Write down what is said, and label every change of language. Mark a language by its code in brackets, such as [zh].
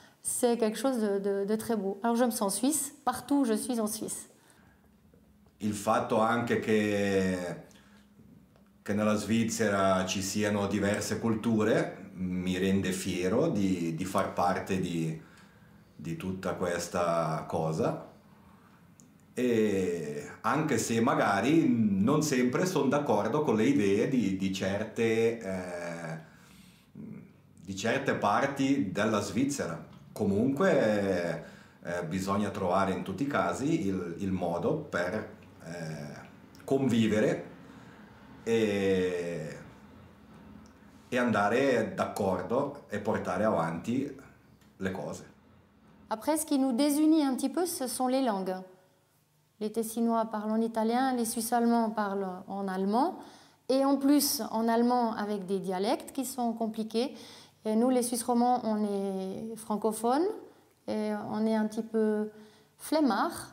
[fr] C'est quelque chose de très beau. Alors je me sens suisse, partout je suis en Suisse. [it] Il fatto anche che nella Svizzera ci siano diverse culture mi rende fiero di far parte di tutta questa cosa. E anche se magari non sempre sono d'accordo con le idee di certe parti della Svizzera, comunque bisogna trovare in tutti i casi il modo per convivere e andare d'accordo e portare avanti le cose. [fr] Après, ce qui nous désunit un petit peu, ce sont les langues. Les Tessinois parlent en italien, les Suisses allemands parlent en allemand. Et en plus, en allemand, avec des dialectes qui sont compliqués. Et nous, les Suisses romands, on est francophones et on est un petit peu flemmards.